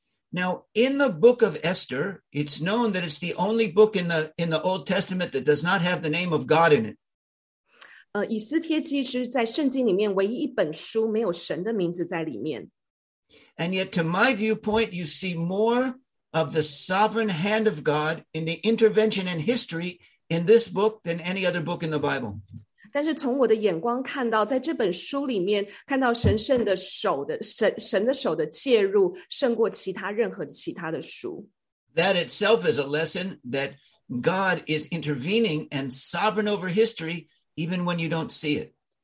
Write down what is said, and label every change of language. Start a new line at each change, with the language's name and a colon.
English: Now, in the book of Esther, it's known that it's the only book in the Old Testament that does not have the name of God in it.
Chinese: 以斯帖记是在圣经里面唯一一本书没有神的名字在里面。
English: And yet, to my viewpoint, you see more of the sovereign hand of God in the intervention and history in this book than any other book in the Bible.
Chinese: 但是从我的眼光看到，在这本书里面看到神圣的手的神的手的介入，胜过其他任何其他的书。
English: That itself is a lesson that God is intervening and sovereign over history, even when you don't see it.